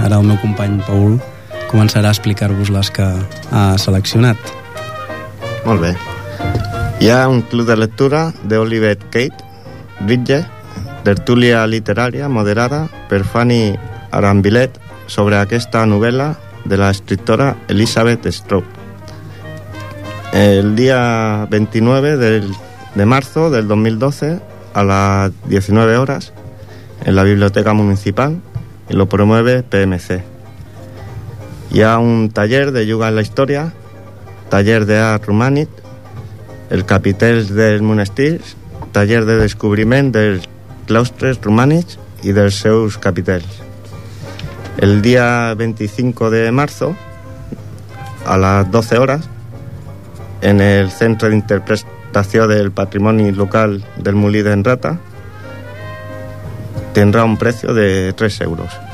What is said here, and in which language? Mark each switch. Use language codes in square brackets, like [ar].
[ca] Ara el meu company Paul començarà a explicar-vos les que ha seleccionat. Molt bé. Hi ha un club de lectura de Olivet Kate Bridge, tertúlia literària moderada per Fanny Arambilet sobre aquesta novel·la de [es] la escritora [ca] Elizabeth Strout. [es] El dia 29 de marzo del 2012 a las 19 horas en la biblioteca municipal y lo promueve PMC. Y a un [ca] taller de yoga en la historia, taller de art romànic, el capitel del monestir, taller de descobriment dels claustres romànics i dels seus capitels. El dia 25 de marzo, a les 12 hores, en el Centre d'Interpretació del Patrimoni Local del Molí d'en Rata, tindrà un preu de 3 euros.